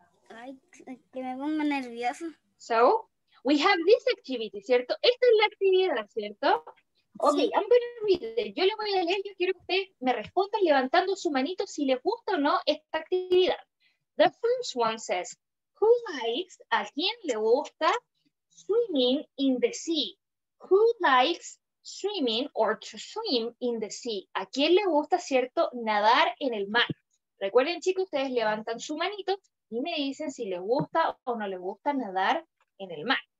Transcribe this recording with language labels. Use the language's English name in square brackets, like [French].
[Spanish] Ay, que me pongo nervioso. [English] So, we have this activity, [Spanish] ¿cierto? Esta es la actividad, ¿cierto? Ok, sí. [English] I'm going to read it. [Spanish] Yo le voy a leer, yo quiero que ustedes me respondan levantando su manito si les gusta o no esta actividad. [English] The first one says, who likes, [Spanish] a quién le gusta [English] swimming in the sea? Who likes swimming or to swim in the sea? [Spanish] ¿A quién le gusta, cierto, nadar en el mar? Recuerden, chicos, ustedes levantan su manito y me dicen si les gusta o no les gusta nadar en el mar.